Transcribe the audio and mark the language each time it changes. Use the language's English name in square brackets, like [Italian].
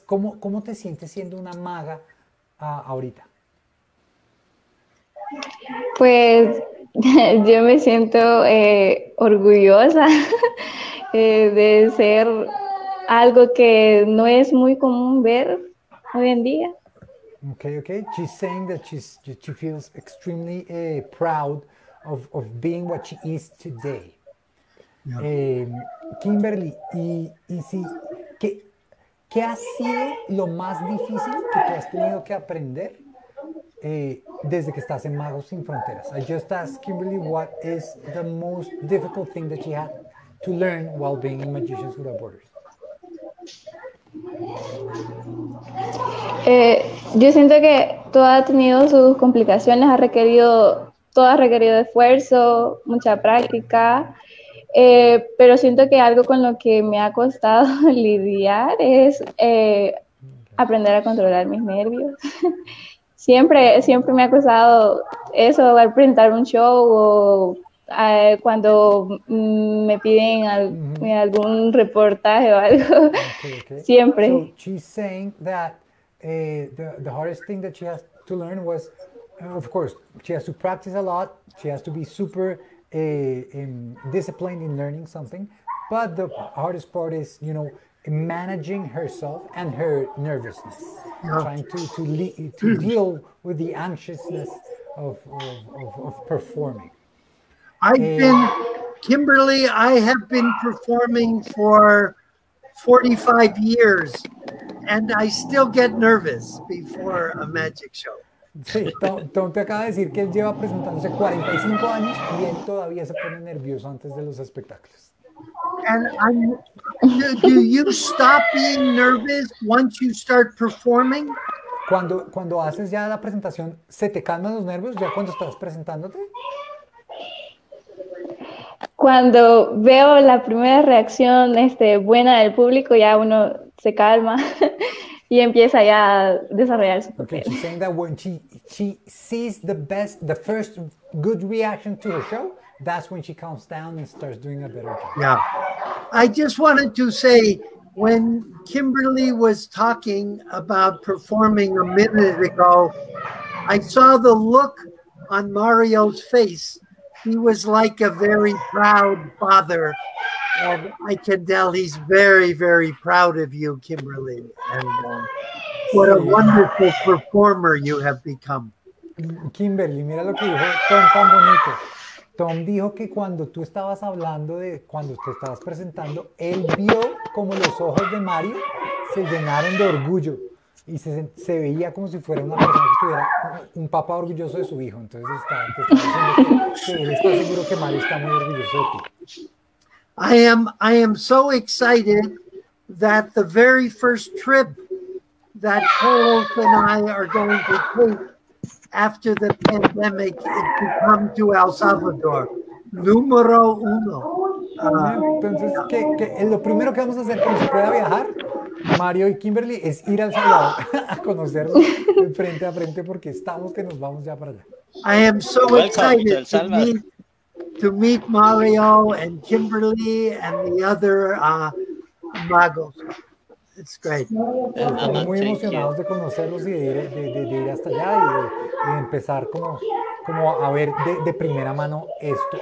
[Spanish] ¿Cómo te sientes siendo una maga ahorita? Pues yo me siento orgullosa de ser algo que no es muy común ver hoy en día. [English] Okay. She's saying that she feels extremely proud of being what she is today. Yeah. [Spanish] Kimberly, y si, ¿qué ha sido lo más difícil que tú has tenido que aprender desde que estás en Magos Sin Fronteras? [English] I just asked Kimberly what is the most difficult thing that she had to learn while being in Magicians Without Borders. [Spanish] Yo siento que todo ha tenido sus complicaciones, ha requerido esfuerzo, mucha práctica, pero siento que algo con lo que me ha costado lidiar es aprender a controlar mis nervios. Siempre me ha costado eso, al presentar un show o cuando me piden algún reportaje o algo. Okay. Siempre. [English] So she's saying that the hardest thing that she has to learn was, of course, she has to practice a lot, she has to be super disciplined in learning something, but the hardest part is, you know, managing herself and her nervousness, trying to deal with the anxiousness of performing. I have been performing for 45 years, and I still get nervous before a magic show. [Spanish] Sí, Tom te acaba de decir que él lleva presentándose 45 años y él todavía se pone nervioso antes de los espectáculos. [English] And do you stop being nervous once you start performing? [Spanish] Cuando haces ya la presentación, ¿se te calman los nervios ya cuando estás presentándote? Cuando veo la primera reacción buena del público, ya uno se calma y empieza ya a desarrollar su papel. [English] Okay, she's saying that when she sees the first good reaction to her show, that's when she calms down and starts doing a better job. Yeah. I just wanted to say, when Kimberly was talking about performing a minute ago, I saw the look on Mario's face. He was like a very proud father. And I can tell he's very, very proud of you, Kimberly. And what a wonderful performer you have become. [Spanish] Kimberly, mira lo que dijo Tom tan bonito. Tom dijo que cuando tú estabas hablando de cuando te estabas presentando, él vio como los ojos de Mario se llenaron de orgullo. y se veía como si fuera una persona que estuviera un papá orgulloso de su hijo. Entonces está diciendo que él está seguro que Mario está muy orgulloso de ti. [English] I am so excited that the very first trip that Carlos and I are going to take after the pandemic is to come to El Salvador. [Spanish] Número uno. Entonces, que lo primero que vamos a hacer cuando se pueda viajar, Mario y Kimberly, es ir al Salvador a conocerlo de frente a frente porque estamos que nos vamos ya para allá. [English] I am so excited to meet Mario and Kimberly and the other magos. It's great. [Spanish] Estamos muy emocionados de conocerlos y de ir hasta allá y de empezar como a ver de primera mano esto.